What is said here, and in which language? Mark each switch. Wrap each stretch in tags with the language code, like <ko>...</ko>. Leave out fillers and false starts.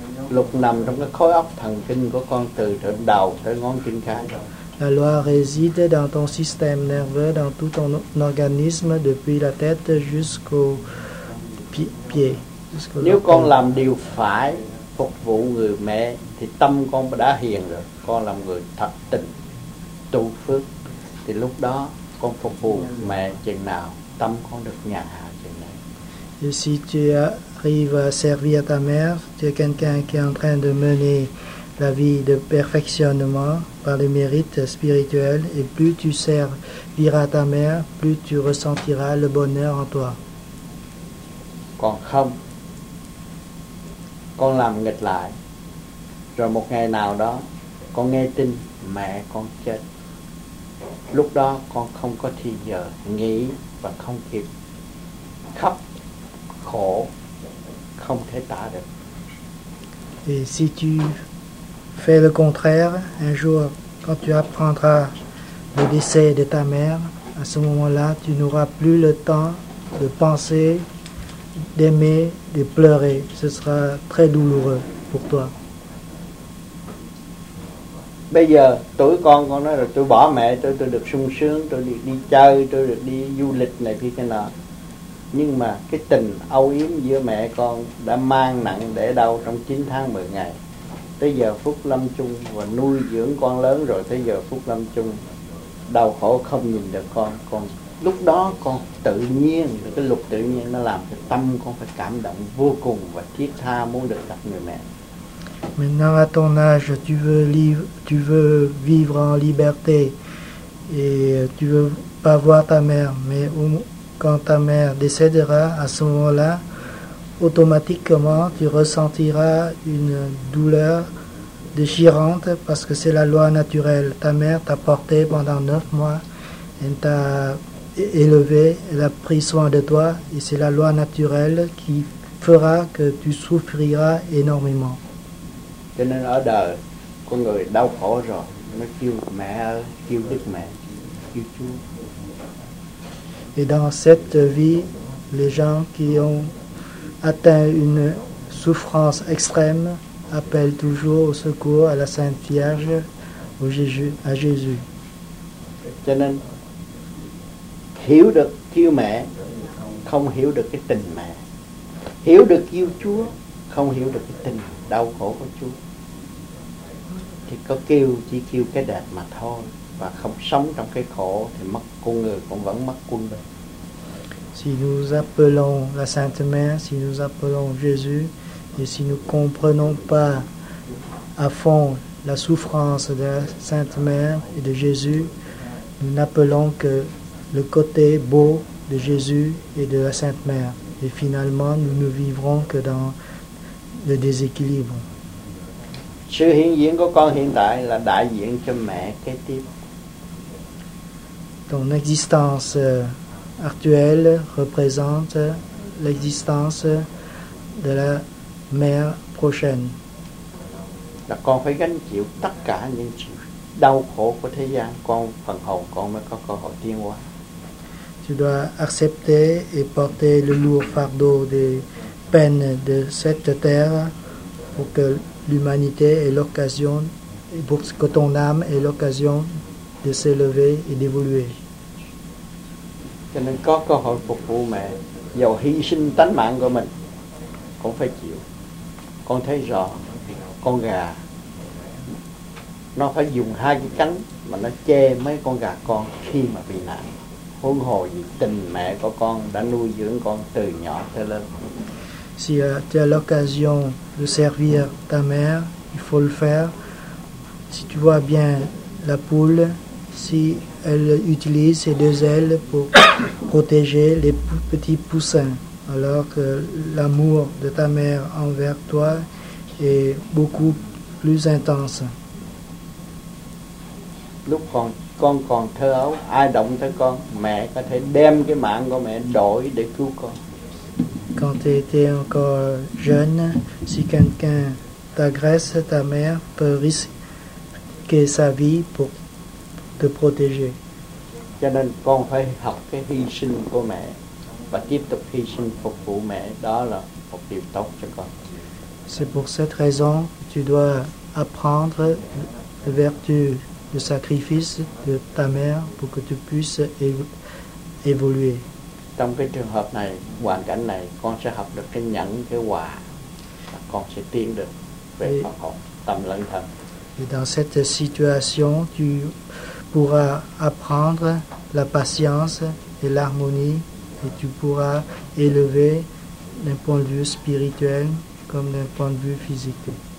<vi>lục nằm trong cái khối óc thần kinh của con từ trên đầu tới ngón chân cái.</vi> <fr>La loi réside dans ton système nerveux, dans tout ton organisme, depuis la tête jusqu'au pied.</fr> <vi>Nếu con làm điều phải, phục vụ người mẹ, thì tâm con đã hiền rồi. Con làm người thật tình, tu phước. Thì lúc đó, con phục vụ mẹ chừng nào, tâm con được nhàn hạ chừng nào.</vi> <fr>Et si tu arrives à servir ta mère, tu es quelqu'un qui est en train de mener la vie de perfectionnement par les mérites spirituels, et plus tu serviras ta mère, plus tu ressentiras le bonheur en toi.</fr> <vi>Còn không, con làm nghịch lại, rồi một ngày nào đó, con nghe tin mẹ con chết. Lúc đó, con không có thì giờ nghĩ và không kịp khóc, khổ, không thể tả được.</vi> <fr>Et si tu fais le contraire, un jour, quand tu apprendras le décès de ta mère, à ce moment-là, tu n'auras plus le temps de penser, d'aimer, de pleurer. Ce sera très douloureux pour toi.</fr> <vi>Bây giờ, tuổi con nói là tôi bỏ mẹ, tôi được sung sướng, tôi được đi chơi, tôi được đi du lịch này kia cái nọ. Nhưng mà cái tình âu yếm giữa mẹ con đã mang nặng để đau trong 9 tháng 10 ngày. Tới giờ phút lâm chung và nuôi dưỡng con lớn rồi, tới giờ phút lâm chung đau khổ không nhìn được con. Lúc đó con tự nhiên, cái lục tự nhiên nó làm cho tâm con phải cảm động vô cùng và thiết tha muốn được gặp người mẹ.</vi> <fr>Maintenant à ton âge, tu veux vivre en liberté et tu veux pas voir ta mère, mais quand ta mère décédera, à ce moment-là, automatiquement, tu ressentiras une douleur déchirante parce que c'est la loi naturelle. Ta mère t'a porté pendant 9 mois, elle t'a élevé, elle a pris soin de toi et c'est la loi naturelle qui fera que tu souffriras énormément.</fr> <vi>Cho nên ở đời, con người đau khổ rồi, nó kêu mẹ ơi, kêu đức mẹ, kêu Chúa.</vi> <fr>Et dans cette vie, les gens qui ont atteint une souffrance extrême appellent toujours au secours à la Sainte Vierge, à Jésus.</fr> <vi>Cho nên, hiểu được kêu mẹ, không hiểu được cái tình mẹ. Hiểu được kêu Chúa, không hiểu được cái tình đau khổ của Chúa. Thì có kêu chỉ kêu cái đẹp mà thôi, và không sống trong cái khổ thì mất con người cũng vẫn mất quân bình.</vi> <fr>Si nous appelons la Sainte Mère, si nous appelons Jésus, et si nous comprenons pas à fond la souffrance de la Sainte Mère et de Jésus, nous n'appelons que le côté beau de Jésus et de la Sainte Mère, et finalement nous ne vivrons que dans le déséquilibre.</fr> <vi>Sự hiện diện của con hiện tại là đại diện cho mẹ kế tiếp.</vi> <fr>Ton existence actuelle représente l'existence de la mère prochaine.</fr> <vi>Là con phải gánh chịu tất cả những sự đau khổ của thế gian, con phần hồn con mới có cơ hội tiến hóa.</vi> <fr>Tu dois accepter et porter le lourd fardeau des peines de cette terre pour que l'humanité ait l'occasion, pour que ton âme ait l'occasion de s'élever et d'évoluer.</fr> <vi>Cho nên có cơ hội phục vụ mẹ, dù hy sinh tánh mạng của mình, cũng phải chịu. Con thấy rõ, con gà, nó phải dùng hai cái cánh mà nó che mấy con gà con khi mà bị nạn. Huống hồ gì tình mẹ của con đã nuôi dưỡng con từ nhỏ tới lớn.</vi> <fr>Si tu as l'occasion de servir ta mère, il faut le faire. Si tu vois bien la poule, si elle utilise ses deux ailes pour protéger les petits poussins, alors que l'amour de ta mère envers toi est beaucoup plus intense.</fr> <vi>Lúc con còn thơ ấu, ai động tới con, mẹ có thể đem cái mạng của mẹ đổi để cứu con.</vi> <fr>Quand tu étais encore jeune, si quelqu'un t'agresse, ta mère peut risquer sa vie pour te protéger.</fr> <vi>Cho nên con phải học cái hy sinh của mẹ và tiếp tục hy sinh phục vụ mẹ, đó là một điều tốt cho con.</vi> <fr>C'est pour cette raison que tu dois apprendre la vertu du sacrifice de ta mère pour que tu puisses évoluer.</fr> <vi>Trong cái trường hợp này, hoàn cảnh này, con sẽ học được cái nhẫn, cái hòa. Con sẽ tiến được về phật học tâm lân thân.</vi> <fr>Et dans cette situation, tu pourras apprendre la patience et l'harmonie et tu pourras élever d'un point de vue spirituel comme d'un point de vue physique.</fr>